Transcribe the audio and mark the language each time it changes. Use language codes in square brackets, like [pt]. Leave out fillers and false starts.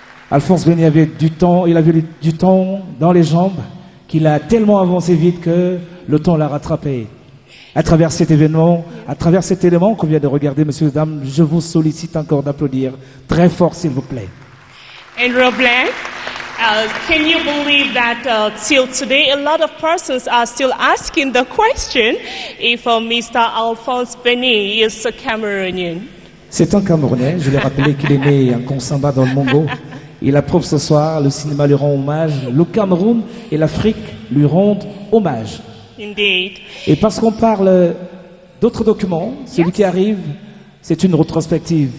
[fr] Alphonse Béni avait du temps, il avait du temps dans les jambes, qu'il a tellement avancé vite que le temps l'a rattrapé. À travers cet événement, à travers cet élément qu'on vient de regarder, messieurs et dames, je vous sollicite encore d'applaudir très fort, s'il vous plaît. [en] And Roblin, can you believe that till today, a lot of persons are still asking the question if Mr. Alphonse Béni is a Cameroonian? [fr] C'est un Camerounais, je l'ai rappelé qu'il est né en Consamba dans le Mongo. Il approuve ce soir, le cinéma lui rend hommage, le Cameroun et l'Afrique lui rendent hommage. [en] Indeed. [fr] Et parce qu'on parle d'autres documents, celui qui arrive, c'est une rétrospective.